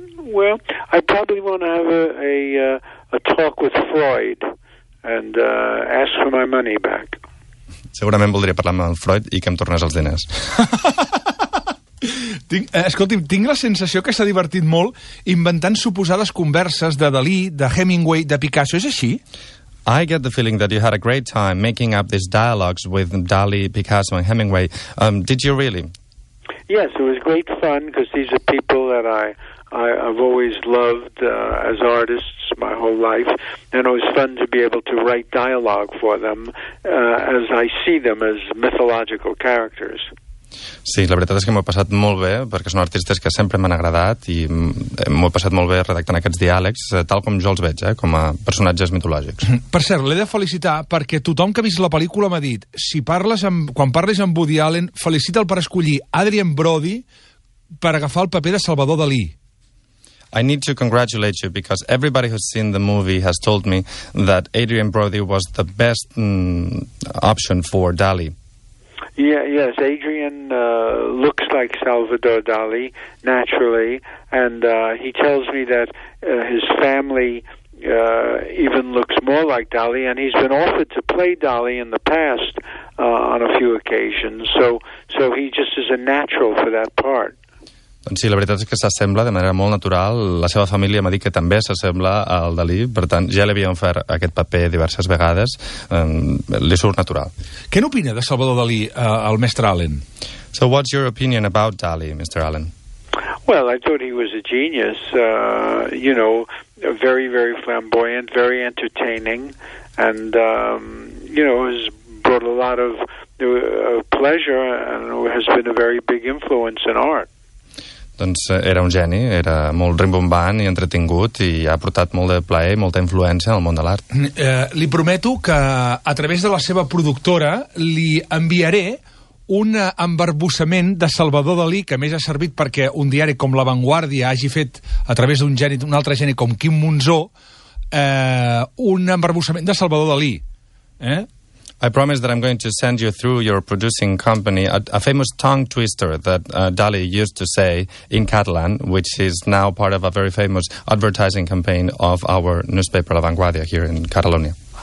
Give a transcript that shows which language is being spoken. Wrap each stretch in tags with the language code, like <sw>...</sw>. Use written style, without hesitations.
<en>Well, I probably want to have a talk with Freud and ask for my money back.</en> <ca>Segurament voldria parlar amb Freud i que em tornés els diners. Tinc la sensació que s'ha divertit molt inventant suposades converses de Dalí, de Hemingway, de Picasso. És així?</ca> <en>I get the feeling that you had a great time making up these dialogues with Dalí, Picasso and Hemingway. Did you really? Yes, it was great fun because these are people that I've always loved as artists my whole life, and it was fun to be able to write dialogue for them as I see them as mythological characters.</en> <ca>Sí, la veritat és que m'ho he passat molt bé, perquè són artistes que sempre m'han agradat i m'ho he passat molt bé redactant aquests diàlegs, tal com jo els veig, com a personatges mitològics. Per cert, l'he de felicitar perquè tothom que ha vist la pel·lícula m'ha dit, si parles amb, quan parles amb Woody Allen, felicita'l per escollir Adrien Brody per agafar el paper de Salvador Dalí.</ca> <en>I need to congratulate you because everybody who's seen the movie has told me that Adrien Brody was the best option for Dalí. Yeah, yes, Adrien looks like Salvador Dalí, naturally, and he tells me that his family even looks more like Dalí, and he's been offered to play Dalí in the past on a few occasions, so he just is a natural for that part.</en> <ca>Doncs sí, la veritat és que s'assembla de manera molt natural. La seva família m'ha dit que també s'assembla al Dalí, per tant, ja l'havien fet aquest paper diverses vegades, li surt natural. Què n'opina de Salvador Dalí, el mestre Allen?</ca> <en>So what's your opinion about Dalí, Mr. Allen? Well, I thought he was a genius, you know, very, very flamboyant, very entertaining, and, you know, has brought a lot of pleasure and has been a very big influence in art.</en> <ca>Doncs era un geni, era molt rimbombant i entretingut i ha portat molt de plaer i molta influència en el món de l'art. Li prometo que a través de la seva productora li enviaré un embarbussament de Salvador Dalí que a més ha servit perquè un diari com La Vanguardia hagi fet a través d'un geni, un altre geni com Quim Monzó, un embarbussament de Salvador Dalí.</ca> <en>I promise that I'm going to send you through your producing company a famous tongue twister that Dalí used to say in Catalan, which is now part of a very famous advertising campaign of our newspaper La Vanguardia here in Catalonia.</en>